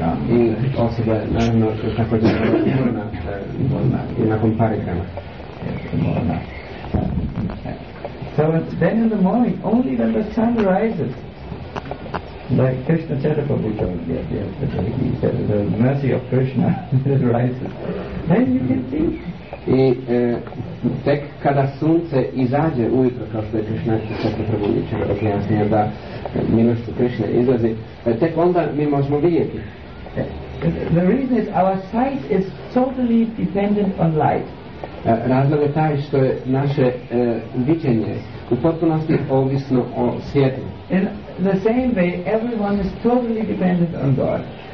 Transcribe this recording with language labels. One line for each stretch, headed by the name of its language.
Croatian: i osoba je naravno također umrna i nakon Parikrama.
English: So then in the morning only when the sun rises, like Krishna said about the mercy of Krishna that rises, then you can see.
Croatian: I tek kada sunce izađe ujutro, kao što je Krishna sada prebudio, objasnio da milost Krishna izlazi, tek onda mi možemo vidjeti.
English: The reason is our sight is totally dependent on light.
Croatian: Razlog je taj što je naše viđenje u potpunosti ovisno o svjetlu.
English: In the same way, everyone is totally dependent on God.